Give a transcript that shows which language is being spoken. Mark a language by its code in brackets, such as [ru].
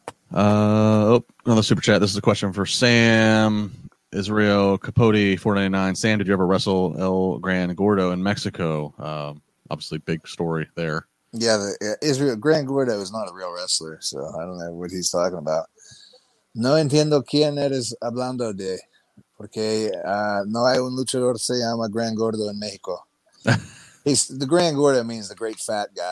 [en] Another super chat. This is a question for Sam Israel Capote, 499. Sam, did you ever wrestle El Gran Gordo in Mexico? Obviously, big story there. Yeah. Israel Gran Gordo is not a real wrestler, so I don't know what he's talking about. [es] No entiendo quién eres hablando de, porque no hay un luchador se llama Gran Gordo en México. [en] He's the Gran Gordo means the great fat guy.